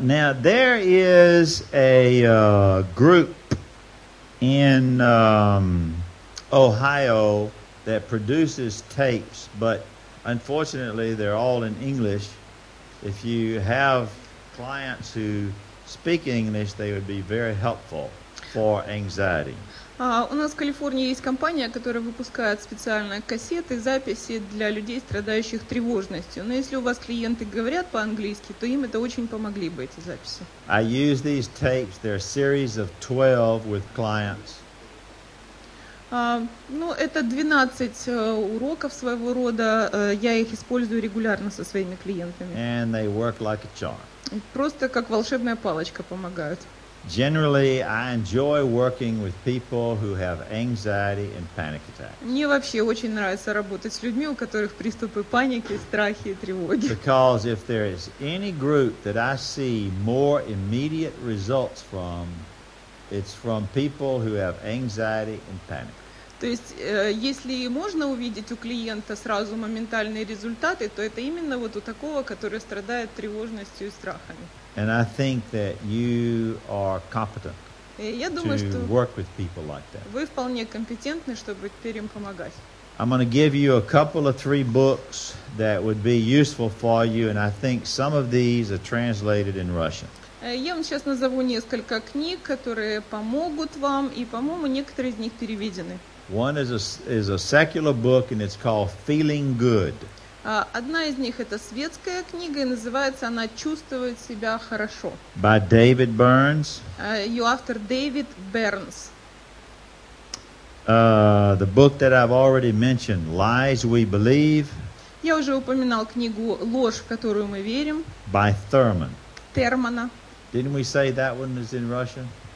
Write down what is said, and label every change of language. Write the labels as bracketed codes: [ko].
[en] Now there is a group in Ohio that produces tapes, but unfortunately they're all in English. If you have clients who speak English, they would be very helpful for anxiety. [ru] У нас в Калифорнии есть компания, которая выпускает специальные кассеты, записи для людей, страдающих тревожностью. Но если у вас клиенты говорят по-английски, то им это очень помогли бы, эти записи. [en] I use these tapes. They're a series of 12 with clients. [ru] Это 12 уроков своего рода. Я их использую регулярно со своими клиентами. [en] And they work like a charm. [ru] Просто как волшебная палочка помогают. [en] Generally, I enjoy working with people who have anxiety and panic attacks. [ru] Мне вообще очень нравится работать с людьми, у которых приступы паники, страхи и тревоги. [en] Because if there is any group that I see more immediate results from, it's from people who have anxiety and panic. [ru] То есть, если можно увидеть у клиента сразу моментальные результаты, то это именно вот у такого, который страдает тревожностью и страхами. [en] And I think that you are competent to work with people like that. [ru] Вы вполне компетентны, чтобы теперь им помогать. [en] I'm going to give you a couple of three books that would be useful for you, and I think some of these are translated in Russian. [ru] Я вам сейчас назову несколько книг, которые помогут вам, и, по-моему, некоторые из них переведены. [en] One is a secular book, and it's called Feeling Good. [ru] Одна из них — это светская книга, и называется она «Чувствовать себя хорошо». [en] By David Burns. [ru] Ее автор — David Burns. [en] The book that I've already mentioned, Lies We Believe. [ru] Я уже упоминал книгу «Ложь, в которую мы верим». [en] By Thurman. [ru] Термана. [en] Didn't we say that one is in Russian?